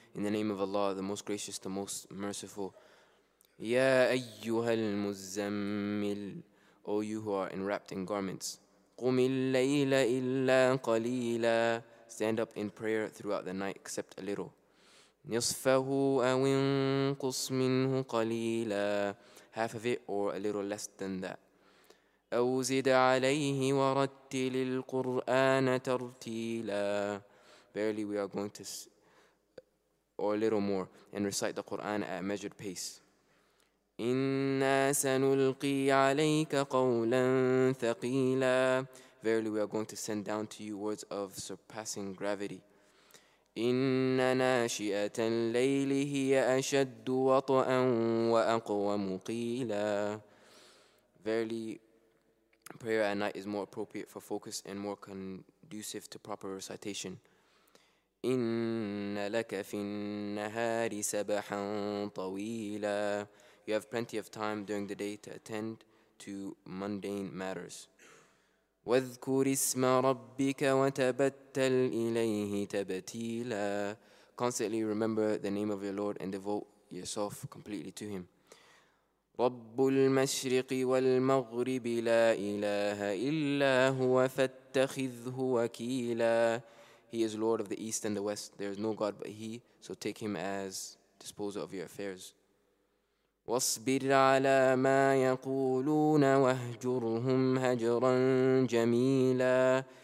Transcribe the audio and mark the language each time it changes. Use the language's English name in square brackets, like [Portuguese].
[English] In the name of Allah, the Most Gracious, the Most Merciful. [Arabic] Ya ayyuhal muzzammil, [English] O you who are enwrapped in garments. [Arabic] Qumil layla illa qalila, [English] stand up in prayer throughout the night except a little. [Arabic] Nisfahu aw inqus minhu qalila, [English] half of it or a little less than that. [Arabic] أو زد عليه ورتل القرآن ترتيلا. [English] Barely we are going to, or a little more, and recite the Quran at a measured pace. [Arabic] إنا سنلقي عليك قولا ثقيلا. [English] Verily we are going to send down to you words of surpassing gravity. [Arabic] إن ناشئة الليل هي أشد وطئا وأقوى مقيلا. [English] Verily prayer at night is more appropriate for focus and more conducive to proper recitation. [Arabic] إِنَّ لَكَ فِي النَّهَارِ سَبَحًا طَوِيلًا. [English] You have plenty of time during the day to attend to mundane matters. [Arabic] وَذْكُرِ اسْمَ رَبِّكَ وَتَبَتَّلْ إِلَيْهِ تَبَتِيلًا. [English] Constantly remember the name of your Lord and devote yourself completely to Him. [Arabic] رب المشرق والمغرب لا إله إلا هو فاتخذه وكيلا. [English] He is Lord of the East and the West. There is no God but He, so take Him as disposer of your affairs. [Arabic] واصبر على ما يقولون واهجرهم هجرا جميلا.